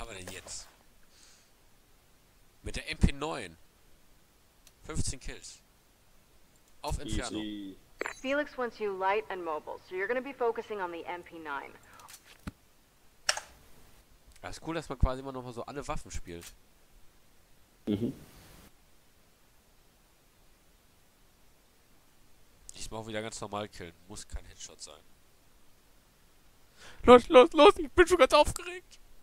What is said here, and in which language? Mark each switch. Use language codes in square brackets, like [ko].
[de] Jetzt mit der MP9 15 Kills auf Inferno. [en] Felix wants you light and mobile, so you're gonna be focusing on the MP9. [de] Das ist cool, dass man quasi immer noch mal so alle Waffen spielt. Mhm. Ich brauche wieder ganz normal killen, muss kein Headshot sein. Los, los, los, ich bin schon ganz aufgeregt.